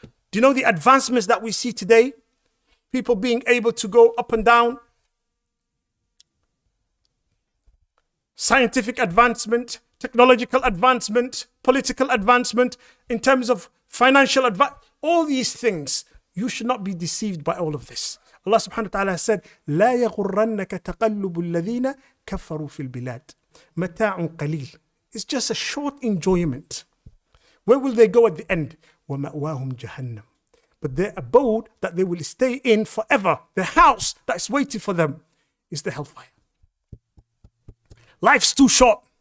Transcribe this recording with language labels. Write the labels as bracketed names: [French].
[English] Do you know the advancements that we see today? People being able to go up and down. Scientific advancement, technological advancement, political advancement, in terms of financial advance, all these things, you should not be deceived by all of this. [Arabic] Allah subhanahu wa ta'ala said, لا يغرنك تقلب الذين كفروا في البلاد متاع قليل. [English] It's just a short enjoyment. Where will they go at the end? [Arabic] ومأواهم جهنم. [English] But their abode that they will stay in forever, the house that is waiting for them, is the hellfire. Life's too short.